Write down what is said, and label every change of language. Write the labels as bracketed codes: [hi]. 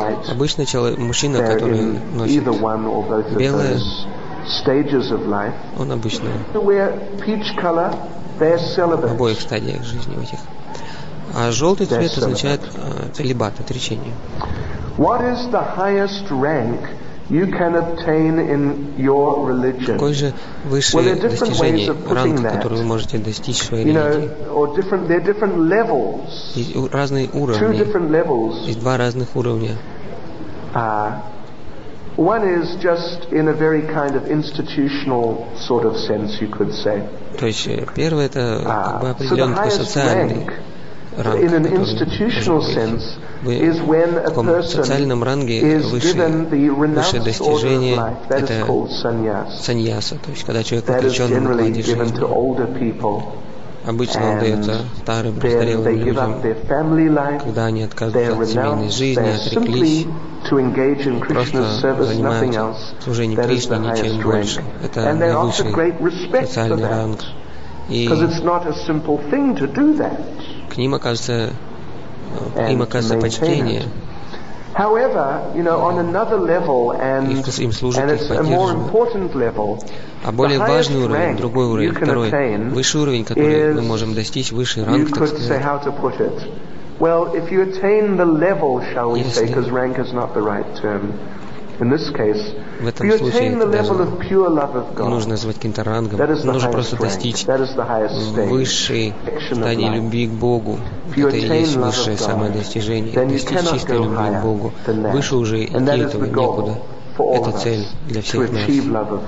[ru] Обычно мужчина, который носит белое, [en] stages of life. [ru] Он обычно [en] peach color, they're celibate. [ru] В обоих стадиях жизни этих. А желтый цвет celibate. Означает целибат, отречение. [en] What is the highest rank you can obtain in your religion? [ru] Какой же высшее достижение, ранг, который вы можете достичь в своей религии? [en] There are different levels. [ru] Разные уровни. [en] Two different levels. [ru] Есть два разных уровня. [en] One is just in a very kind of institutional sort of sense, you could say. [ru] То есть первое это как бы определенный такой социальный ранг. [en] In an institutional sense, is when a person is given the renounced order of life. That is called sannyas. [ru] Саньяса, то есть когда человек отречён от плоти жизни. Обычно он дается старым, престарелым людям, когда они отказываются от семейной жизни, отреклись, просто занимаются служением Кришне, ничем больше. Это наивысший социальный ранг. И к ним оказывается почтение. [en] However, you know, on another level and it's a more important level. [ru] А более важный уровень, другой уровень, второй, высший уровень, который мы можем достичь, высший ранг, так сказать. [en] Well, if you attain the level, shall we say, because rank is not the right term. In this case, [ru] в этом случае это даже нужно назвать каким-то рангом. Нужно просто достичь высшей стадии любви к Богу. Это и есть высшее самое достижение. Достичь чистой любви к Богу. Выше уже идти этого некуда. Это цель для всех нас.